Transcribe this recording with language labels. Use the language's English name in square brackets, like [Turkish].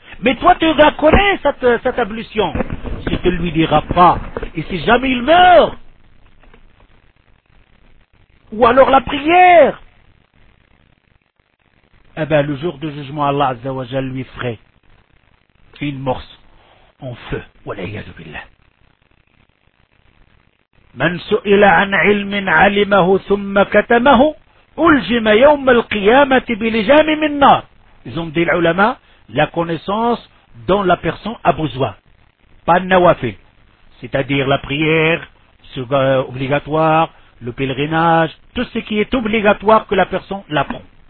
[French] Mais toi, tu vas connaître cette ablution. Si tu ne lui diras pas, et si jamais il meurt, ou alors la prière, eh bien, le jour du jugement, Allah Azza wa Jal lui ferait une morse en feu. [Arabic] Wal'iyadu billah. من سئل عن علم علمه ثم كتمه ألجم يوم القيامة بلجام من نار. [French] Ils ont dit, les ulama, la connaissance dont la personne a besoin. Pas nawafil. C'est-à-dire la prière obligatoire, le pèlerinage, tout ce qui est obligatoire que la personne l'apprend.